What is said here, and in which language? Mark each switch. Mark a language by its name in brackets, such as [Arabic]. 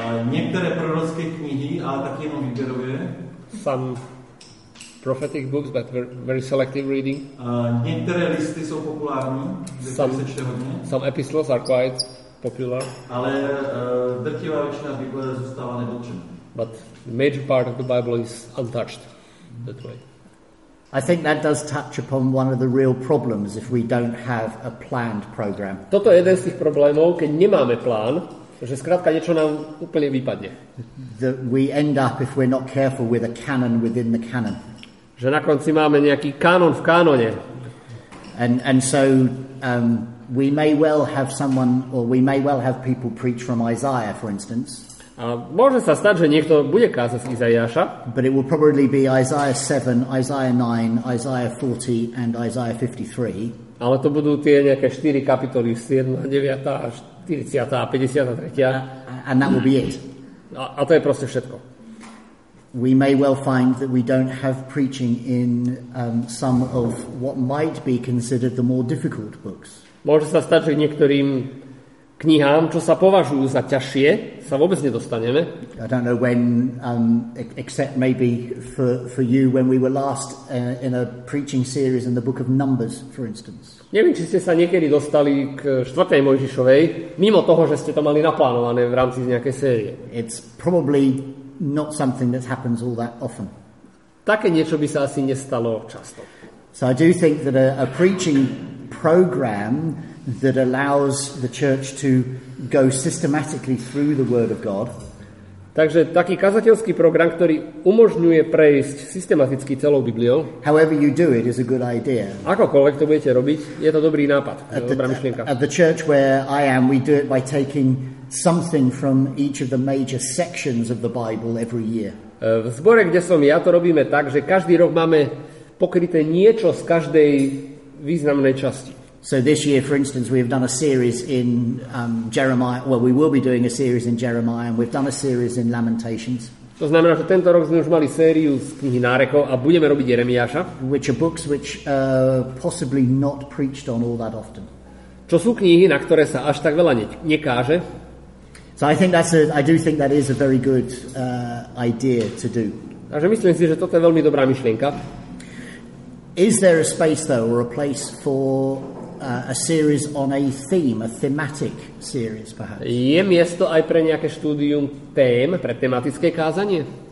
[Czech] Některé prorocké knihy, ale taky jenom výběrově. [English] Some prophetic books, but very selective reading. [Czech] Některé listy jsou populární, se čte hodně. [English] Some epistles are quite popular. [Czech] Ale drtivá většina Bible zůstává nedotčená. [English] But the major part of the Bible is untouched that way. I think that does touch upon one of the real problems if we don't have a planned program. [Slovak] Toto je jeden z tých problémov, keď nemáme plán, že skrátka niečo nám úplne vypadne. [English] That we end up, if we're not careful, with a canon within the canon. [Slovak] Že na konci máme nejaký kánon v kánone. [English] And so we may well have someone, or we may well have people preach from Isaiah, for instance. [Slovak] A môže sa stať, že niekto bude kázať z Izaiáša. [English] But it will probably be Isaiah 7, Isaiah 9, Isaiah 40 and Isaiah 53. [Slovak] Ale to budú tie nejaké 4 kapitoly, 7, 9 a 40 a 53. [English] And that will be it. [Slovak] A to je proste všetko. [English] We may well find that we don't have preaching in some of what might be considered the more difficult books. [Slovak] Môže sa stať, že niektorým knihám, čo sa považujú za ťažšie, sa vôbec nedostaneme. [English] I don't know when, except maybe for you, when we were last in a preaching series in the book of Numbers, for instance. [Slovak] Neviem, či ste sa niekedy dostali k 4. Mojžišovej, mimo toho, že ste to mali naplánované v rámci nejakej série. [English] It's probably not something that happens all that often. [Slovak] Také niečo by sa asi nestalo často. [English] So I do think that a preaching program that allows the church to go systematically through the word of God. [Slovak] Takže taký kazateľský program, ktorý umožňuje prejsť systematicky celou Bibliou. [English] However you do it is a good idea. [Slovak] Akokoľvek to budete robiť, je to dobrý nápad, dobrá myšlienka. [English] At the church where I am, we do it by taking something from each of the major sections of the Bible every year. [Slovak] V zbore, kde som ja, to robíme tak, že každý rok máme pokryté niečo z každej významnej časti. [English] So this year, for instance, we have done a series in Jeremiah. Well, we will be doing a series in Jeremiah, and we've done a series in Lamentations. [Slovak] To znamená, že tento rok sme už mali sériu z knihy Nárekov a budeme robiť Jeremiáša. [English] Which are books which possibly not preached on all that often. [Slovak] Čo sú knihy, na ktoré sa až tak veľa nekáže. [English] So I think I do think that is a very good idea to do. [Slovak] Takže myslím si, že toto je veľmi dobrá myšlienka. [English] Is there a space though or a place for a series on a theme, a thematic series perhaps? [Slovak] Je miesto aj pre nejaké štúdium tém, pre tematické kázanie?